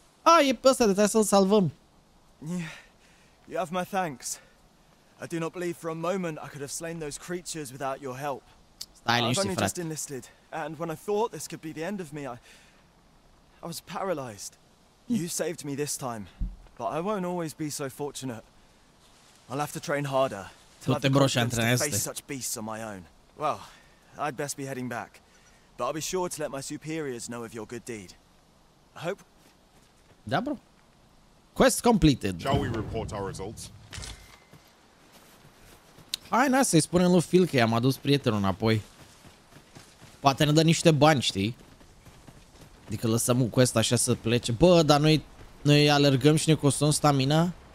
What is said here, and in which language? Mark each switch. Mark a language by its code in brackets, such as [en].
[ro] Ah, e pe ăsta, de trebuie să-l salvăm. [en] You have my thanks. I do not believe for a moment I could have slain those creatures without your help. [ro] Stai liniște, frate. [en] I've only just enlisted, and when I thought this could be the end of me, I was paralyzed. You saved me this time, but I won't always be so fortunate. I'll have to train harder. [ro] Tot te broșe antrenează. [en] Face such beasts on my own. Well, I'd best be heading back. But I'll be sure to let my superiors know of your good deed. I hope. [ro] Da, bro. [en] Quest completed. Shall we report our results? [ro] Hai, na, să-i spunem lui Phil că i-am adus prietenul înapoi. Poate ne dă niște bani, știi? Adică lăsăm un quest așa să plece. Bă, dar noi alergăm și ne costăm stamina?